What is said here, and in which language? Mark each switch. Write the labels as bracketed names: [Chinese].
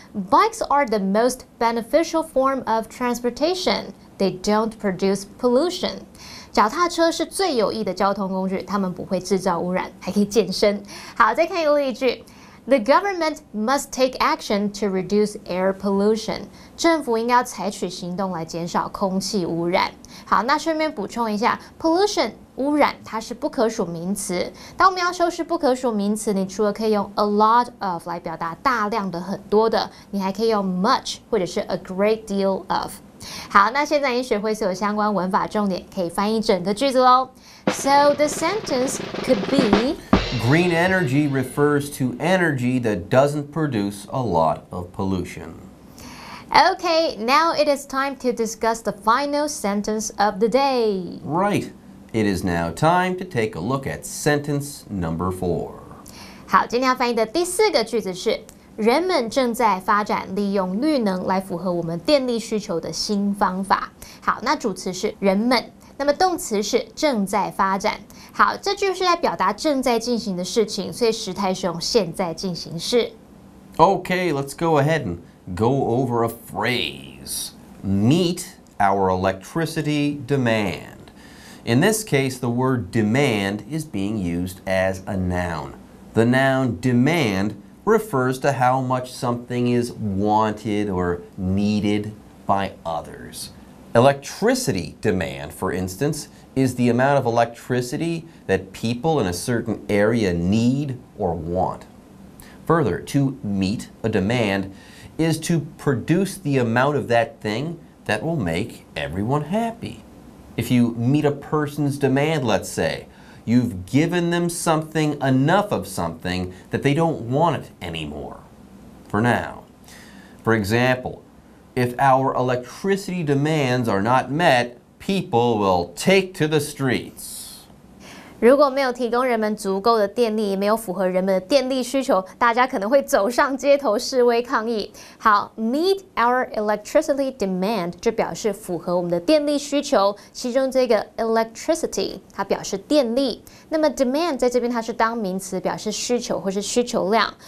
[English] Bikes are the most beneficial form of transportation. They don't produce pollution. [Chinese] 脚踏车是最有益的交通工具，它们不会制造污染，还可以健身。好，再看一个例句。 [English] The government must take action to reduce air pollution. [Chinese] 政府应该采取行动来减少空气污染。好，那顺便补充一下 ，pollution 污染它是不可数名词。当我们要修饰不可数名词，你除了可以用 [English] a lot of [Chinese] 来表达大量的、很多的，你还可以用 much 或者是 [English] a great deal of。 [Chinese] 好，那现在你学会所有相关文法重点，可以翻译整个句子喽。 [English] So the sentence could be. Green energy refers to energy that doesn't produce a lot of pollution. Okay, now it is time to discuss the final sentence of the day. Right. It is now time to take a look at sentence number 4. [Chinese] 好，今天要翻译的第四个句子是，人们正在发展利用绿能来符合我们电力需求的新方法。好，那主词是人们，那么动词是正在发展。好，这句是在表达正在进行的事情，所以时态是用现在进行式。 [English] Okay, let's go ahead and go over a phrase. Meet our electricity demand. In this case, the word demand is being used as a noun. The noun demand refers to how much something is wanted or needed by others. Electricity demand, for instance,is the amount of electricity that people in a certain area need or want. Further, to meet a demand is to produce the amount of that thing that will make everyone happy. If you meet a person's demand, let's say, you've given them something, enough of something, that they don't want it anymore, for now. For example, if our electricity demands are not met,People will take to the streets. [Chinese] 如果没有提供人们足够的电力，没有符合人们的电力需求，大家可能会走上街头示威抗议。好 ， [English] meet our electricity demand [Chinese] 就表示符合我们的电力需求。其中这个 electricity 它表示电力，那么 demand 在这边它是当名词，表示需求或是需求量。